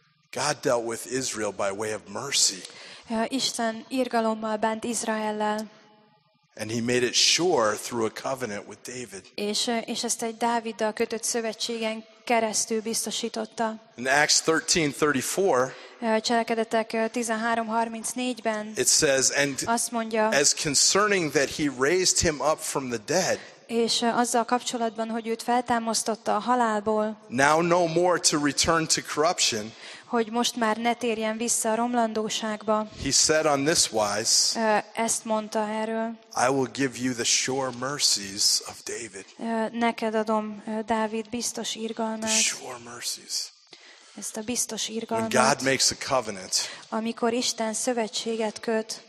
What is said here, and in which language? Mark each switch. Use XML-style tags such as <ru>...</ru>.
<en>God dealt with Israel by way of mercy.</en> <hu>Isten irgalommal bánt Izraellel.</hu> <en>And he made it sure through a covenant with David.</en> <hu>És ezt egy Dáviddal kötött szövetségen keresztül biztosította.</hu> <en>In Acts 13:34,</en> <hu>Cselekedetek 13:34-ben</hu> <en>it says, and</en> <hu>azt mondja,</hu> <en>as concerning that he raised him up from the dead,</en> <hu>és azzal kapcsolatban, hogy őt feltámasztotta a halálból.</hu> <en>Now no more to return to corruption.</en> <hu>Hogy most már ne térjen vissza a romlandóságba.</hu> <en>He said on this wise.</en> <hu>Ezt mondta erről.</hu> <en>I will give you the sure mercies of David.</en> <hu>Neked adom Dávid biztos irgalmát.</hu> <en>The sure mercies.</en> <hu>Ezt a biztos irgalmat.</hu> <en>When God makes a covenant.</en> <hu>Amikor Isten szövetséget köt.</hu>